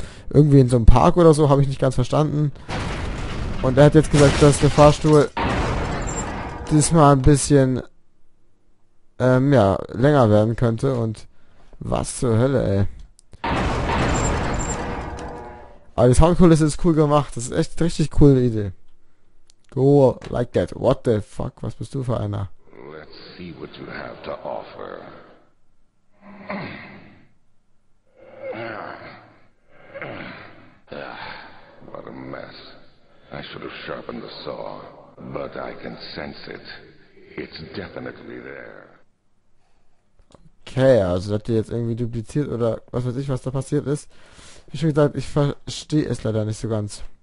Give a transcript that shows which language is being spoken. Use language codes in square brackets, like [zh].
[de] Irgendwie in so einem Park oder so, habe ich nicht ganz verstanden. Und er hat jetzt gesagt, dass der Fahrstuhl diesmal ein bisschen länger werden könnte. Und was zur Hölle, ey. Aber die Soundkulisse ist cool gemacht. Das ist echt richtig coole Idee. [en] Go like that. What the fuck? [de] Was bist du für einer? [en] Let's see what you have to offer. What a mess. I should have sharpened the saw, but I can sense it. It's definitely there. [de] Okay, also hat die jetzt irgendwie dupliziert oder was weiß ich, was da passiert ist. Wie schon gesagt, ich verstehe es leider nicht so ganz.